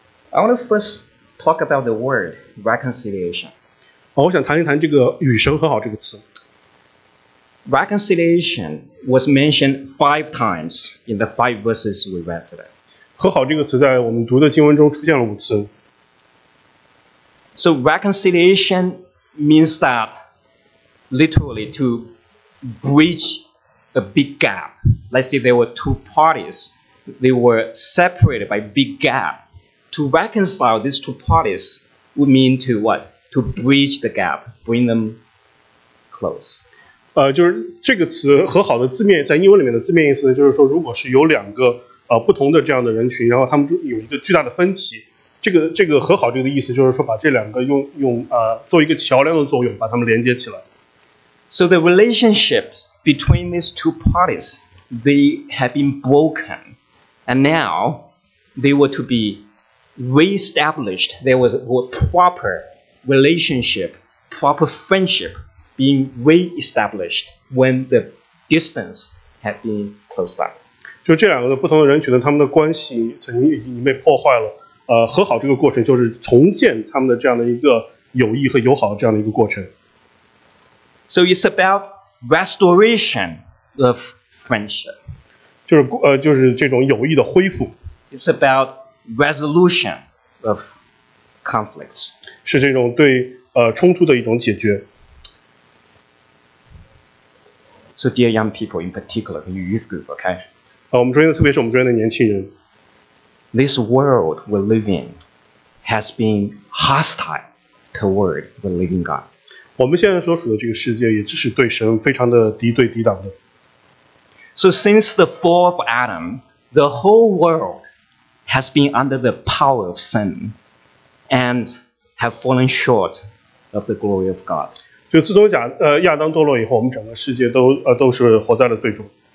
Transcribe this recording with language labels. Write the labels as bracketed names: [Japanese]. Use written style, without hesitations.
[English] I want to first talk about the word reconciliation. [Chinese] 我想谈一谈这个与神和好这个词。 [English] Reconciliation was mentioned 5 times in the 5 verses we read today. [Chinese] 和好这个词在我们读的经文中出现了五次。 [English] So reconciliation means that literally to bridge a big gap. Let's say there were 2 parties. They were separated by big gap. To reconcile these 2 parties would mean to what? To bridge the gap, bring them close. [Chinese] 就是这个词和好的字面在英文里面的字面意思呢，就是说如果是有两个不同的这样的人群，然后他们有一个巨大的分歧，这个和好这个意思就是说把这两个用做一个桥梁的作用，把他们连接起来。 [English] So the relationships between these 2 parties, they had been broken, and now they were to be reestablished. There was a proper relationship, proper friendship being reestablished when the distance had been closed up. [Chinese] 就这两个不同的人群呢，他们的关系曾经已经被破坏了。和好这个过程就是重建他们的这样的一个友谊和友好这样的一个过程。 [English] So it's about restoration of friendship. [Chinese] 就是这种友谊的恢复。 [English] It's about resolution of conflicts. [Chinese] 是这种对冲突的一种解决。 [English] So dear young people in particular, you youth group, okay? [Chinese] 我们中间的特别是我们中间的年轻人。 [English] This world we live in has been hostile toward the living God. [Chinese] 我们现在所处的这个世界也只是对神非常的敌对敌挡的。 [English] So since the fall of Adam, the whole world has been under the power of sin and have fallen short of the glory of God. [Chinese] 就自从亚当堕落以后，我们整个世界都是活在了罪中。